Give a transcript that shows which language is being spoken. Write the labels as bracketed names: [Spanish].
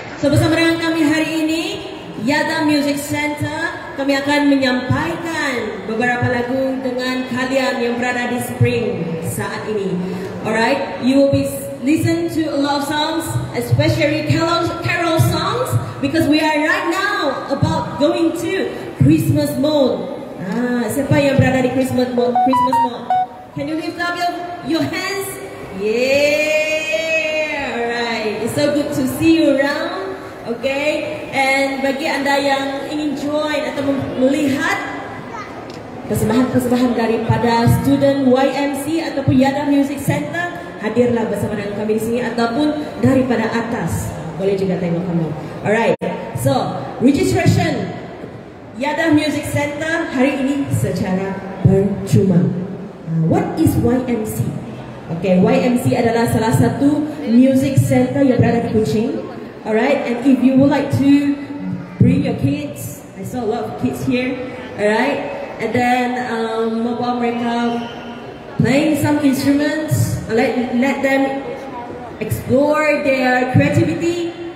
[Malay] So bersama dengan kami hari ini, Yadah Music Center, kami akan menyampaikan beberapa lagu dengan kalian yang berada di Spring saat ini. [English] Alright, you will be listen to a lot of songs, especially carol songs, because we are right now about going to Christmas mode. [Malay] Siapa yang berada di [English] Christmas mode? Christmas mode. Can you lift up your hands? Yeah! Alright, it's so good to see you around. [Malay] Okay, and bagi anda yang ingin join atau melihat persembahan-persembahan daripada student YMC ataupun Yadah Music Center, hadirlah bersama dengan kami di sini ataupun daripada atas. Boleh juga tengok kami. Alright, so registration Yadah Music Center hari ini secara percuma. [English] What is YMC? [Malay] Okay, YMC adalah salah satu music center yang berada di Kuching. [English] Alright, and if you would like to bring your kids, I saw a lot of kids here. Alright, and then [Malay] membawa mereka [English] playing some instruments, let them explore their creativity.